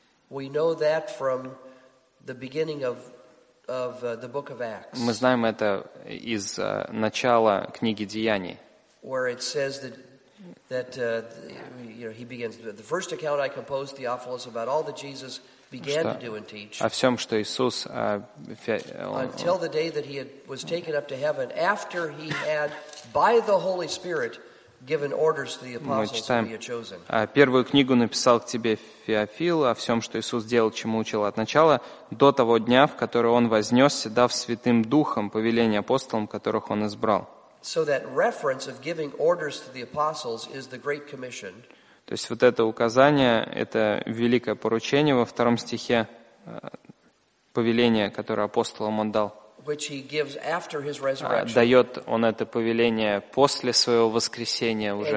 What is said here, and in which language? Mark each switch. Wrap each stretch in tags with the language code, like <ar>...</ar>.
<en>We know that from the beginning of the book of Acts.</en> <ru>Мы знаем это из начала книги Деяний.</ru> <en>Where it says that he begins the first account I composed, Theophilus, about all that Jesus began to do and teach.</en> <ru>О всем, что Иисус</ru> <en>until the day that he was taken up to heaven, after he had by the Holy Spirit given orders to the apostles that he had chosen.</en> <ru>Первую книгу написал к тебе Феофил о всем, что Иисус делал, чему учил от начала до того дня, в который он вознесся, дав Святым Духом повеление апостолам, которых он избрал.</ru> <en>So that reference of giving orders to the apostles is the Great Commission.</en> <ru>То есть вот это указание, это великое поручение во втором стихе, повеление, которое апостолам он дал.</ru> <en>Which he gives after his resurrection.</en> <ru>Дает он это повеление после своего воскресения уже.</ru>